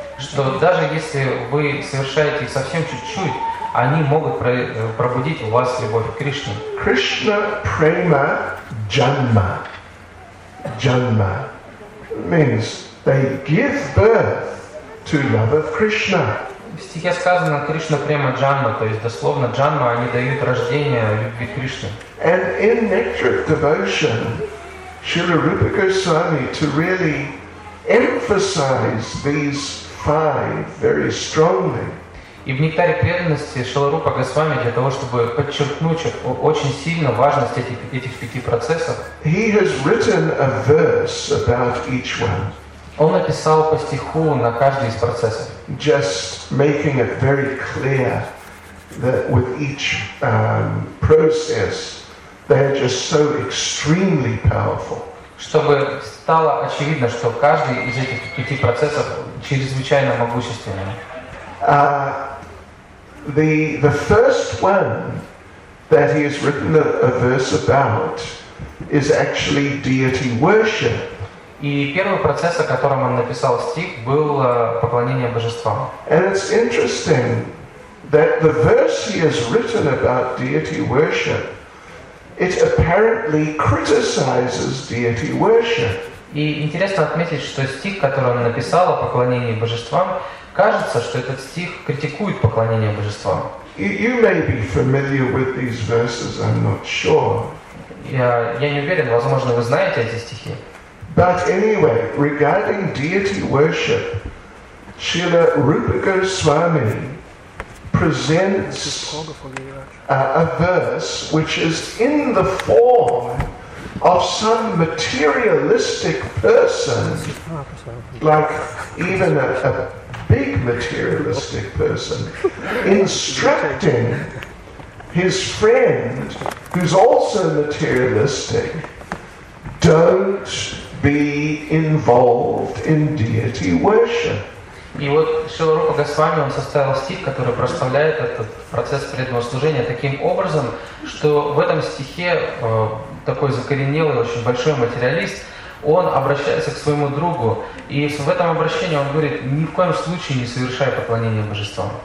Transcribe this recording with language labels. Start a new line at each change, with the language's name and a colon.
Russian: Что даже если вы совершаете совсем чуть-чуть, они могут пробудить у вас любовь к Кришне.
Sanskrit: Krishna prema janma.
English: Janma means they give birth to love of Krishna.
Russian: В стихе сказано Кришна према джанма, то есть дословно джанма, они дают рождение любви Кришны.
English: And in nectaric devotion, Śrīla Rūpa Gosvāmī, to really emphasize these five very strongly.
Russian: И в нектаре преданности Śrīla Rūpa Gosvāmī для того, чтобы подчеркнуть очень сильно важность этих пяти процессов.
English: He has written a verse about each one.
Russian: Он написал по стиху на каждый из процессов.
English: Just making it very clear that with each process they are just so extremely powerful.
Russian: Чтобы стало очевидно, что каждый из этих пяти процессов чрезвычайно могущественен.
English: The first one that he has written a verse about is actually deity worship.
Russian: И первый процесс, о котором он написал стих, был поклонение божествам.
English: And it's interesting that the verse he has written about deity worship, it apparently criticizes deity worship.
Russian: И интересно отметить, что стих, который он написал о поклонении божествам, кажется, что этот стих критикует поклонение божествам.
English: You may be familiar with these verses, I'm not sure.
Russian: Я не уверен, возможно, вы знаете эти стихи.
English: But anyway, regarding deity worship, Śrīla Rūpa Gosvāmī presents a verse which is in the form of some materialistic person, like even a big materialistic person, instructing his friend, who's also materialistic, don't be involved in deity worship.
Russian: И вот Шрила Рупа Госвами, он составил стих, который проставляет этот процесс преданного служения таким образом, что в этом стихе такой закоренелый, очень большой материалист, он обращается к своему другу, и в этом обращении он говорит, ни в коем случае не совершай поклонение божествам.